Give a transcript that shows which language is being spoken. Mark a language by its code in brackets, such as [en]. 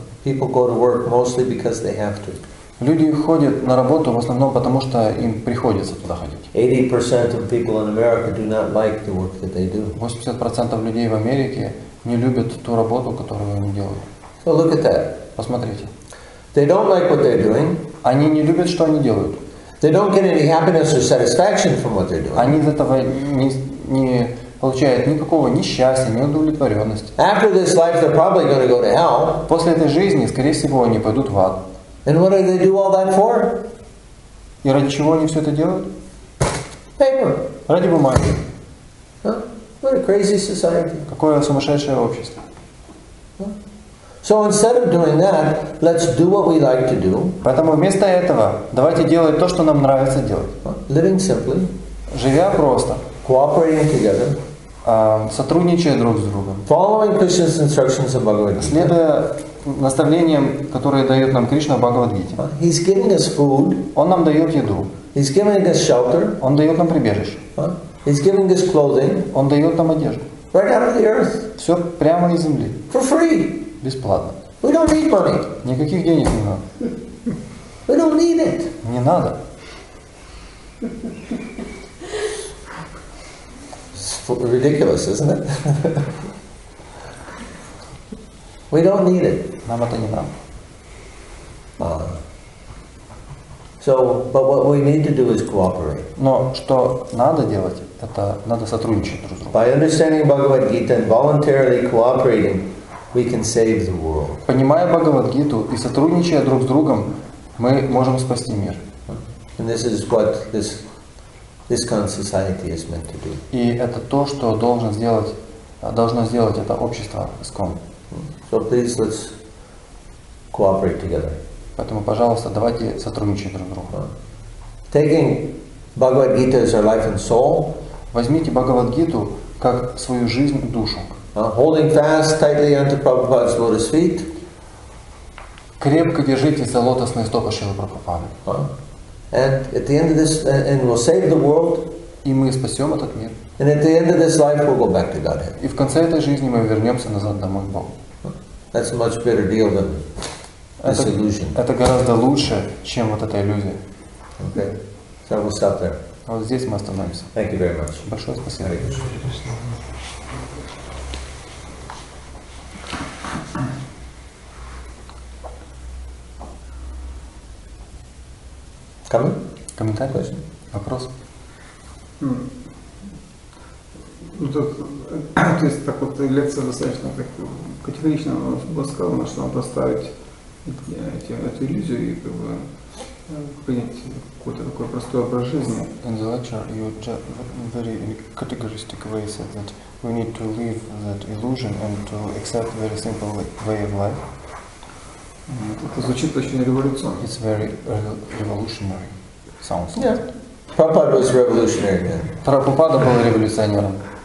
[en] People go to work mostly because they have to. [ru] Люди ходят на работу в основном потому, что им приходится туда ходить. [en] 80% of people in America do not like the work that they do. [ru] 80% людей в Америке не любят ту работу, которую они делают. [en] So look at that. [ru] Посмотрите. [en] They don't like what they're doing. [ru] Они не любят, что они делают. [en] They don't get any happiness or satisfaction from what they're doing. [ru] Они из этого не получают никакого ни счастья, ни удовлетворенности. [en] After this life, they're probably going to go to hell. [ru] После этой жизни, скорее всего, они пойдут в ад. [en] And what do they do all that for? [ru] И ради чего они все это делают? [en] Paper. [ru] Ради бумаги. [en] Huh? What a crazy society. [ru] Какое сумасшедшее общество. [en] So instead of doing that, let's do what we like to do. [ru] Поэтому вместо этого давайте делать то, что нам нравится делать. [en] Living simply. [ru] Живя просто. [en] Cooperating together. [ru] Сотрудничая друг с другом. [en] Following Krishna's instructions of Bhagavad-gita. [ru] Следуя наставлениям, которые дает нам Кришна в Бхагавад-гите. [en] He's giving us food. [ru] Он нам дает еду. [en] He's giving us shelter. [ru] Он дает нам прибежище. [en] He's giving us clothing. [ru] Он дает нам одежду. [en] Right out of the earth. [ru] Все прямо из земли. [en] For free. [ru] Бесплатно. [en] We don't need money. [ru] Никаких денег не надо. [en] We don't need it. [ru] Не надо. [en] It's ridiculous, isn't it? We don't need it. [ru] Нам это не надо. [en] But what we need to do is cooperate. [ru] Но что надо делать, это надо сотрудничать друг с другом. [en] By understanding Bhagavad-gita and voluntarily cooperating, we can save the world. [ru] Понимая Бхагавад-гиту и сотрудничая друг с другом, мы можем спасти мир. [en] And this is what this kind of society is meant to do. [ru] И это то, что должно сделать это общество ISKCON. [en] So please, let's cooperate together. [ru] Поэтому, пожалуйста, давайте сотрудничать друг с другом. [en] Taking Bhagavad-gita as our life and soul. [ru] Возьмите Бхагавад-гиту как свою жизнь и душу. [en] Holding fast tightly unto Prabhupada's lotus feet. [ru] Крепко держитесь за лотосные стопы Шрилы Прабхупады. [en] And at the end of this, and we'll save the world. [ru] И мы спасем этот мир. [en] And at the end of this life, we'll go back to Godhead. [ru] И в конце этой жизни мы вернемся назад домой к Богу. [en] That's a much better deal than this illusion. [ru] Это гораздо лучше, чем вот эта иллюзия. [en] Okay. So we'll stop there. [ru] Вот здесь мы остановимся. [en] Thank you very much. [ru] Большое спасибо. Комментарий? [en] Question. [ru] Вопрос? То есть лекция достаточно так категорично была сказана, что надо оставить эту иллюзию и принять какой-то такой простой образ жизни. [en] In the lecture you very categoristic way said that we need to leave that illusion and to accept very simple way of life. [ru] Это звучит очень революционно. [en] It's very revolutionary. Sounds. Yeah. Prabhupada was revolutionary then. [ru] Прабхупада был революционером.